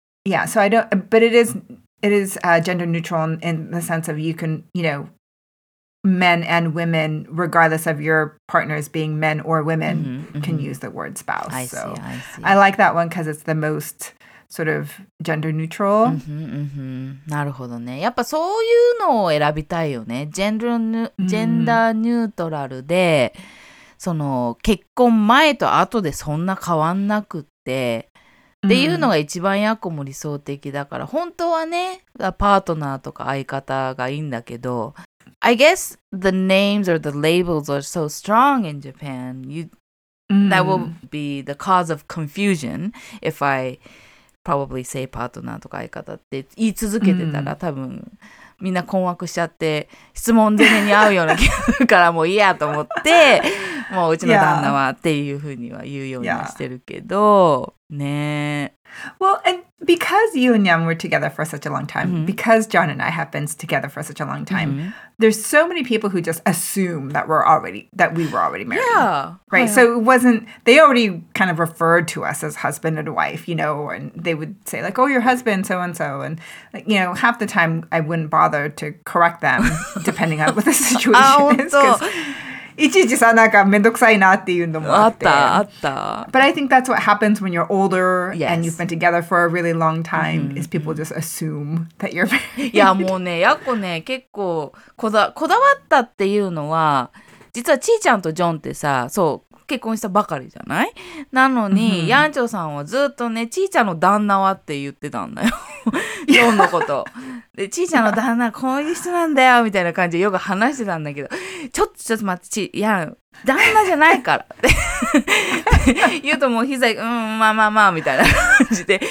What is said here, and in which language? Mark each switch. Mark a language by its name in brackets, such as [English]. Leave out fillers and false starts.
[English] Yeah, so I don't, but it is gender neutral in the sense of you can, you know, men and women, regardless of your partners being men or women, can use the word spouse. I see. I like that one because it's the most... sort of gender neutral. [Japanese] なるほどね。やっぱそういうのを選びたいよね。ジェンダーニュートラルで、その結婚前と後でそんな変わんなくって、っていうのが一番やこも理想的だから、本当はね、パートナーとか相方がいいんだけど、 [English] I guess the names or the labels are so strong in Japan. That will be the cause of confusion if I... probably say partner [Japanese] とか相方って言い続けてたら、多分みんな困惑しちゃって質問攻めに合うような気がするからもういいやと思ってもううちの旦那はっていうふうには言うようにしてるけど、ね。 [English] Well, and because you and Yam were together for such a long time, because John and I have been together for such a long time, there's so many people who just assume that we were already married. Yeah. Right. Yeah. So it wasn't, they already kind of referred to us as husband and wife, you know, and they would say like, oh, your husband, so and so. And, you know, half the time I wouldn't bother to correct them depending on what the situation is. [Japanese] いちいちさなんかめんどくさいなっていうのもあって。あったあった。 [English] But I think that's what happens when you're older、yes. and you've been together for a really long time、mm-hmm. is people just assume that you're married. [Japanese] いやもうね、やこね、結構こだわったっていうのは、実はちーちゃんとジョンってさ、そう、結婚したばかりじゃない？なのに、ヤンチョさんはずっとね、ちーちゃんの旦那はって言ってたんだよ。ジョンのこと。で、ちーちゃんの旦那、こういう人なんだよ、みたいな感じでよく話してたんだけど、ちょっと待って、旦那じゃないからって言うともう、まあ、みたいな感じで、